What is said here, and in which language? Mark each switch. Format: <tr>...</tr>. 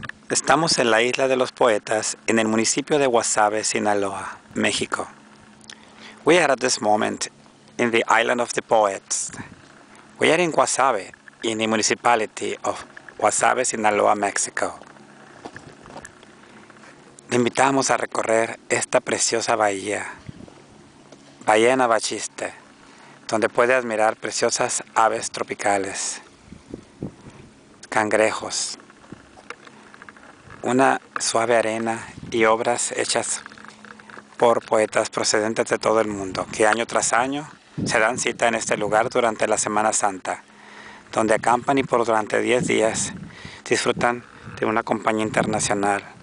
<es>Estamos en la Isla de los Poetas, en el municipio de Guasave, Sinaloa, México.</es> <en>We are at this moment in the Island of the Poets. We are in Guasave, in the municipality of Guasave, Sinaloa, Mexico.</en> <es>Te invitamos a recorrer esta preciosa bahía, Bahía de Navachiste, donde puedes admirar preciosas aves tropicales, cangrejos, una suave arena y obras hechas por poetas procedentes de todo el mundo, que año tras año se dan cita en este lugar durante la Semana Santa, donde acampan y por durante 10 días disfrutan de una compañía internacional,</es>